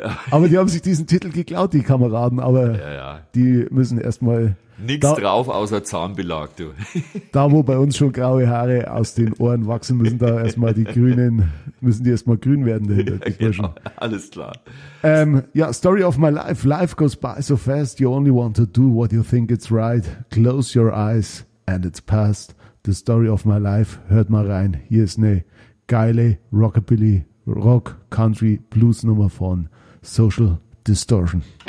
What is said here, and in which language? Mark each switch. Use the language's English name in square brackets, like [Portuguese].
[German] Aber die haben sich diesen Titel geklaut, die Kameraden, aber ja. Die müssen erstmal... Nichts drauf, außer Zahnbelag, du. Da, wo bei uns schon graue Haare aus den Ohren wachsen, müssen da erstmal die Grünen, müssen die erstmal grün werden, dahinter, die Burschen. Ja, alles klar. [English] Story of my life. Life goes by so fast, you only want to do what you think it's right. Close your eyes and it's past. [German] The Story of My Life, hört mal rein. Hier ist eine geile Rockabilly, Rock, Country, Blues Nummer von Social Distortion.